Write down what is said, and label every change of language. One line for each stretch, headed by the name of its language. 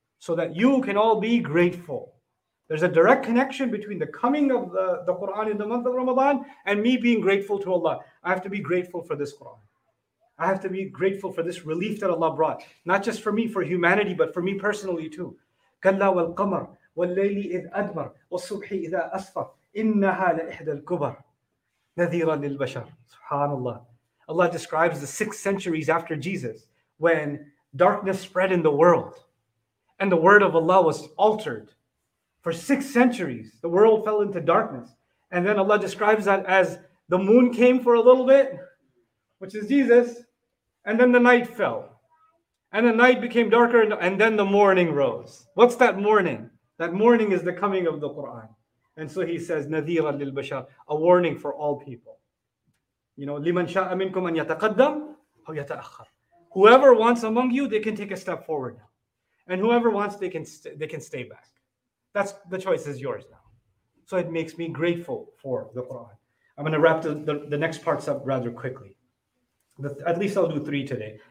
English: So that you can all be grateful. There's a direct connection between the coming of the Quran in the month of Ramadan and me being grateful to Allah. I have to be grateful for this Quran. I have to be grateful for this relief that Allah brought, not just for me, for humanity, but for me personally too.
Arabic: كَلَّا وَالْقَمَرْ وَاللَّيْلِ إِذْ أَدْمَرْ وَالصُّبْحِ إِذَا أَصْفَرْ إِنَّهَا لَإِحْدَى الْكُبَرْ نَذِيرًا لِلْبَشَرْ SubhanAllah.
English: Allah describes the 6 centuries after Jesus when darkness spread in the world and the word of Allah was altered. For 6 centuries, the world fell into darkness. And then Allah describes that as the moon came for a little bit, which is Jesus, and then the night fell. And the night became darker, and then the morning rose. What's that morning? That morning is the coming of the Quran. And so he says,
Arabic: نَذِيرَ لِلْبَشَرْ,
English: a warning for all people. You know,
Arabic: لِمَنْ شَاءَ مِنْكُمْ أَنْ يَتَقَدَّمْ أَوْ يَتَأَخَّرْ.
English: Whoever wants among you, they can take a step forward now. And whoever wants, they can stay back. That's the choice is yours now. So it makes me grateful for the Quran. I'm going to wrap the next parts up rather quickly. At least I'll do 3 today.